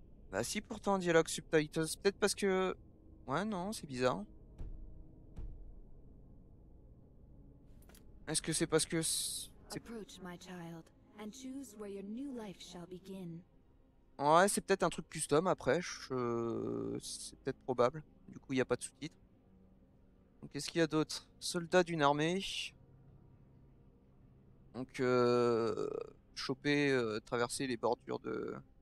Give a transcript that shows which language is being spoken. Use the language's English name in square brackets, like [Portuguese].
[French] Bah si, pourtant, dialogue subtitles. Peut-être parce que... ouais, non, c'est bizarre. Est-ce que c'est parce que... [English] Approach, my child, and choose where your new life shall begin. [French] Ouais, c'est peut-être un truc custom après. C'est peut-être probable. Du coup, il n'y a pas de sous-titres. Donc, qu'est-ce qu'il y a d'autre? Soldat d'une armée. Donc, choper, traverser les bordures de.